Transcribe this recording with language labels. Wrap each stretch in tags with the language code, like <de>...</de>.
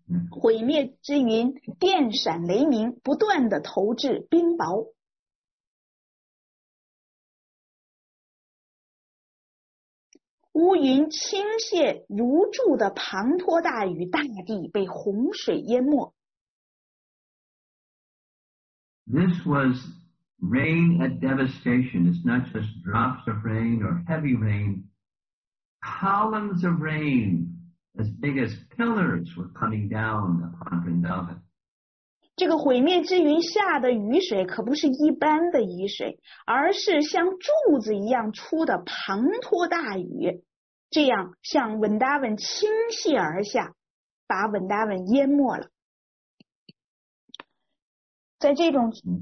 <zh>毁灭之云电闪雷鸣，不断的投掷冰雹。乌云倾泻如注的滂沱大雨，大地被洪水淹没。</zh> <en>This was rain at devastation. It's not just drops of rain or heavy rain. Columns of rain, as big as pillars, were coming down upon Vrindavan.</en> <zh>这个毁灭之云下的雨水可不是一般的雨水，而是像柱子一样粗的滂沱大雨。这样向 Vrindavan 倾泻而下，把 Vrindavan 淹没了。在这种</zh>